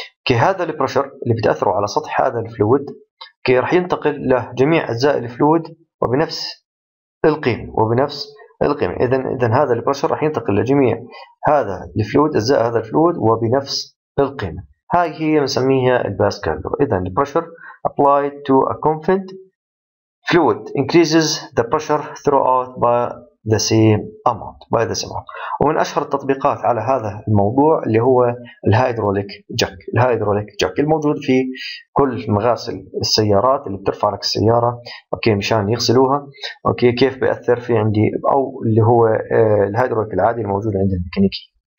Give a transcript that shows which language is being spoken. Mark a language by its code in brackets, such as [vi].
[ar] كهذا البريشر اللي بتأثره على سطح هذا الفلويد، كي راح ينتقل لجميع اجزاء الفلويد وبنفس القيمه، وبنفس القيمه. اذا هذا البريشر راح ينتقل لجميع هذا الفلويد، اجزاء هذا الفلويد وبنفس القيمه. هاي هي بنسميها الباسكال لو. اذا البريشر [en] applied to a confined fluid increases the pressure throughout by the same amount. By the same amount. [ar] ومن اشهر التطبيقات على هذا الموضوع اللي هو الهيدروليك جاك، الهيدروليك جاك الموجود في كل مغاسل السيارات اللي بترفع لك السياره، اوكي، مشان يغسلوها، اوكي، كيف بياثر في عندي، او اللي هو الهيدروليك العادي الموجود عند الميكانيكي.